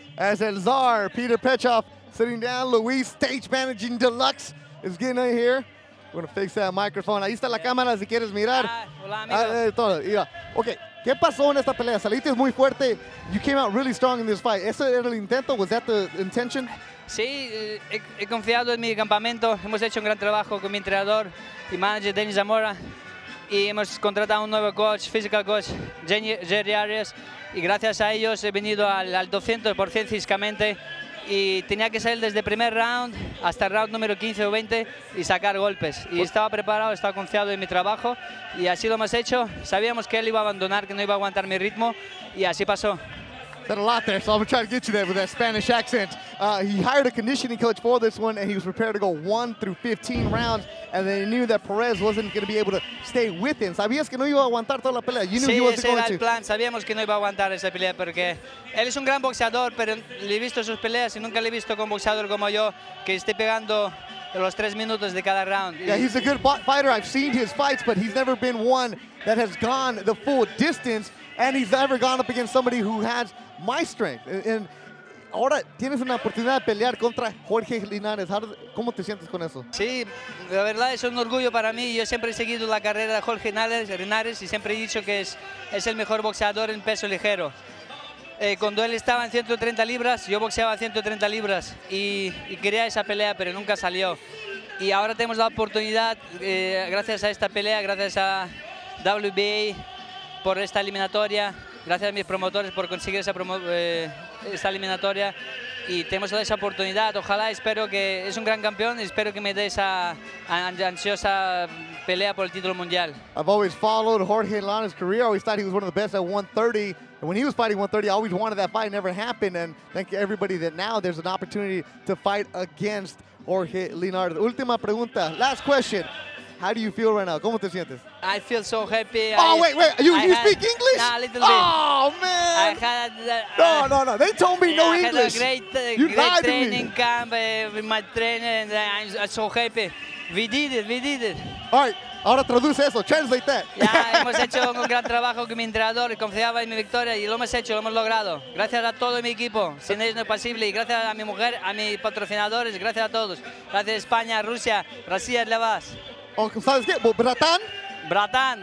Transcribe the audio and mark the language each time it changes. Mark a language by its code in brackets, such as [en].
[en] As El Czar Peter Petrov sitting down. Luis, stage managing deluxe, is getting in here. We're going to fix that microphone. [es] Ahí está la cámara, si quieres mirar. Hola, amigo. Todo. Yeah. Okay. ¿Qué pasó en esta pelea? Saliste muy fuerte. [en] You came out really strong in this fight. [es] ¿Ese era el intento? [en] Was that the intention? [es] Sí, he confiado en mi campamento. Hemos hecho un gran trabajo con mi entrenador y manager, Denis Zamora. Y hemos contratado un nuevo coach, physical coach, Jerry Arias. Y gracias a ellos he venido al 200% físicamente. Y tenía que salir desde el primer round hasta el round número 15 o 20 y sacar golpes. Y estaba preparado, estaba confiado en mi trabajo y así lo hemos hecho. Sabíamos que él iba a abandonar, que no iba a aguantar mi ritmo y así pasó. [en] Said a lot there, so I'm trying to get you there with that Spanish accent. He hired a conditioning coach for this one and he was prepared to go 1 through 15 rounds and then he knew that Perez wasn't going to be able to stay with him. [es] Sabías que no iba a aguantar toda la pelea. [en] You knew [es] sí, [en] he wasn't going to. [es] Sí, ese era el plan. Sabíamos que no iba a aguantar esa pelea porque él es un gran boxeador, pero le he visto sus peleas y nunca le he visto con boxeador como yo que esté pegando los 3 minutos de cada round. [en] Yeah, he's a good fighter. I've seen his fights, but he's never been one that has gone the full distance and he's never gone up against somebody who has my strength. [es] And ahora tienes una oportunidad de pelear contra Jorge Linares. ¿Cómo te sientes con eso? Sí, la verdad es un orgullo para mí. Yo siempre he seguido la carrera de Jorge Linares y siempre he dicho que es el mejor boxeador en peso ligero. Cuando él estaba en 130 libras, yo boxeaba 130 libras y quería esa pelea, pero nunca salió. Y ahora tenemos la oportunidad, gracias a esta pelea, gracias a WBA por esta eliminatoria. Gracias a mis promotores por conseguir esta eliminatoria y tenemos esa oportunidad. Ojalá, espero que es un gran campeón y espero que me dé esa ansiosa pelea por el título mundial. [en] I've always followed Jorge Linares' career. I always thought he was one of the best at 130. And when he was fighting 130, I always wanted that fight. It never happened. And thank you everybody that now there's an opportunity to fight against Jorge Linares. [es] Última pregunta, [en] last question. How do you feel right now? [es] ¿Cómo te sientes? [en] I feel so happy. Oh, I, wait, wait. You speak English? Nah, a little oh, bit. Oh, man. I had, No. They told me no English. I had a great training camp with my trainer, and I'm so happy. We did it. All right. [es] Ahora traduce eso. [en] Translate that. [es] Ya, hemos hecho un gran trabajo con mi entrenador y confiaba en mi victoria y lo hemos hecho, lo hemos logrado. Gracias a todo mi equipo. Sin ellos no es posible. Y gracias a mi mujer, a mis patrocinadores. Gracias a todos. Gracias a España, Rusia, Rusia, le vas. Oh, ¿sabes qué? ¿Bratán?